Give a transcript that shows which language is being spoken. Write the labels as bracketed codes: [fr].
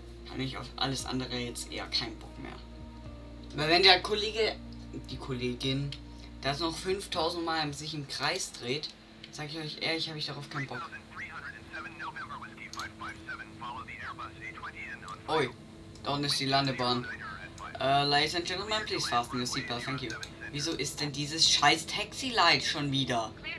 [de] Habe ich auf alles andere jetzt eher keinen Bock mehr. Weil wenn der Kollege, die Kollegin, das noch 5000 Mal sich im Kreis dreht, sage ich euch ehrlich, habe ich darauf keinen Bock. Ui, da unten ist die Landebahn. [en] Ladies and gentlemen, please fasten your seatbelt, thank you. [de] Wieso ist denn dieses scheiß Taxi-Light schon wieder?